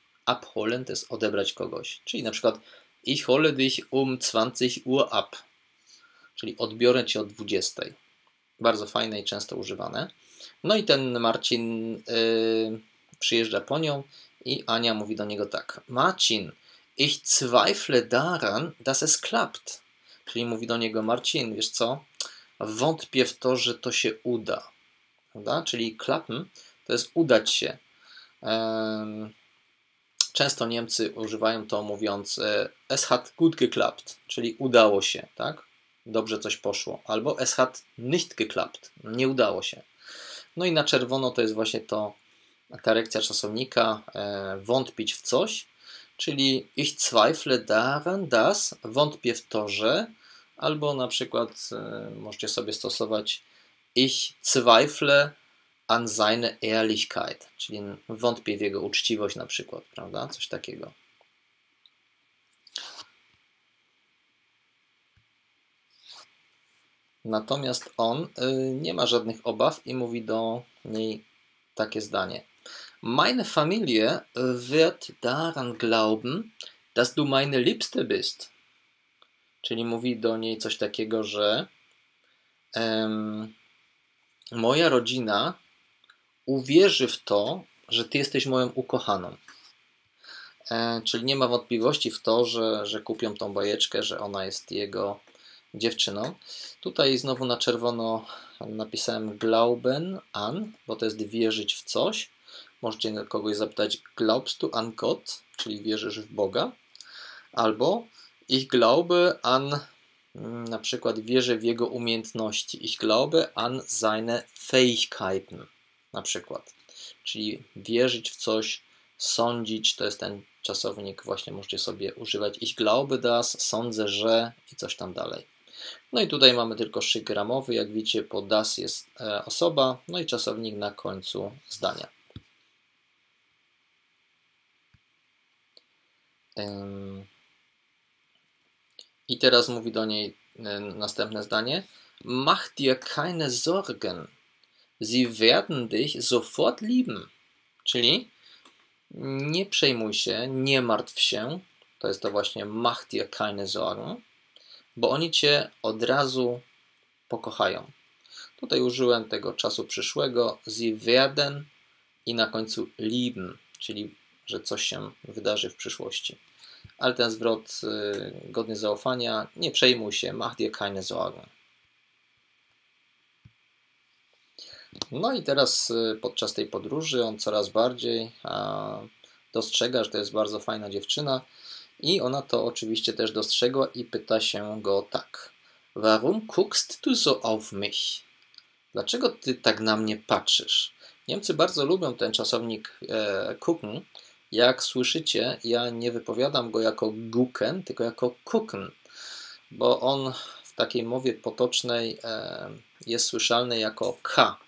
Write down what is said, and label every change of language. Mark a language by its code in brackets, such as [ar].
[pl] Abholen to jest odebrać kogoś. Czyli na przykład [de] ich hole dich 20 Uhr ab. [pl] Czyli odbiorę cię o 20. Bardzo fajne i często używane. No i ten Marcin przyjeżdża po nią i Ania mówi do niego tak. [de] Marcin, ich zweifle daran, dass es klappt. [pl] Czyli mówi do niego Marcin, wiesz co? Wątpię w to, że to się uda. Prawda? Czyli klappen to jest udać się. Często Niemcy używają to mówiąc [de] es hat gut geklappt, [pl] czyli udało się, tak? Dobrze coś poszło. Albo [de] es hat nicht geklappt, [pl] nie udało się. No i na czerwono to jest właśnie to, ta reakcja czasownika wątpić w coś, czyli [de] ich zweifle daran, dass, [pl] wątpię w to, że, albo na przykład możecie sobie stosować [de] ich zweifle an seine Ehrlichkeit, [pl] czyli wątpię w jego uczciwość na przykład, prawda? Coś takiego. Natomiast on nie ma żadnych obaw i mówi do niej takie zdanie. [de] Meine Familie wird daran glauben, dass du meine Liebste bist. [pl] Czyli mówi do niej coś takiego, że moja rodzina uwierzy w to, że ty jesteś moją ukochaną. Czyli nie ma wątpliwości w to, że kupią tą bajeczkę, że ona jest jego dziewczyną. Tutaj znowu na czerwono napisałem glauben an, bo to jest wierzyć w coś. Możecie kogoś zapytać [de] glaubst du an Gott, [pl] czyli wierzysz w Boga. Albo [de] ich glaube an, [pl] na przykład wierzę w jego umiejętności. [de] Ich glaube an seine Fähigkeiten. [pl] Na przykład, czyli wierzyć w coś, sądzić, to jest ten czasownik, właśnie możecie sobie używać. [de] Ich glaube das, [pl] sądzę, że i coś tam dalej. No i tutaj mamy tylko szyk ramowy, jak widzicie, po das jest osoba, no i czasownik na końcu zdania. I teraz mówi do niej następne zdanie. [de] Mach dir keine Sorgen. Sie werden dich sofort lieben. [pl] Czyli nie przejmuj się, nie martw się. To jest to właśnie [de] mach dir keine Sorgen. [pl] Bo oni cię od razu pokochają. Tutaj użyłem tego czasu przyszłego. [de] Sie werden [pl] i na końcu [de] lieben. [pl] Czyli, że coś się wydarzy w przyszłości. Ale ten zwrot godny zaufania. Nie przejmuj się, [de] mach dir keine Sorgen. [pl] No i teraz podczas tej podróży on coraz bardziej dostrzega, że to jest bardzo fajna dziewczyna I ona to oczywiście też dostrzegła i pyta się go tak. [de] Warum guckst du so auf mich? [pl] Dlaczego ty tak na mnie patrzysz? Niemcy bardzo lubią ten czasownik gucken. Jak słyszycie, ja nie wypowiadam go jako gucken, tylko jako gucken, bo on w takiej mowie potocznej jest słyszalny jako k.